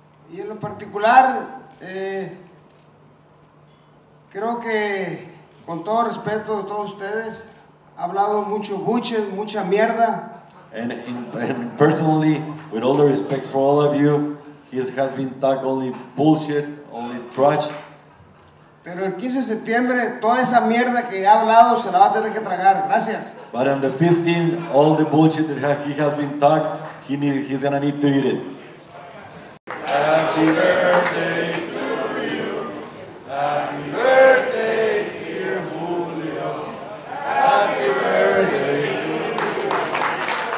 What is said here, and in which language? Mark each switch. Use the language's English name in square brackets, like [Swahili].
[Spanish] Y en lo particular, creo que con todo respeto de todos ustedes, ha hablado mucho buches, mucha mierda. [English] And personally, with all the respect for all of you, he has been talking only bullshit, only trash. [Spanish] Pero el 15 de septiembre, toda esa mierda que ha hablado se la va a tener que tragar. Gracias. [English] But on the 15th, all the bullshit that he has been talking, he's gonna need to eat it. Happy birthday to you. Happy birthday, dear Julio. Happy birthday to you.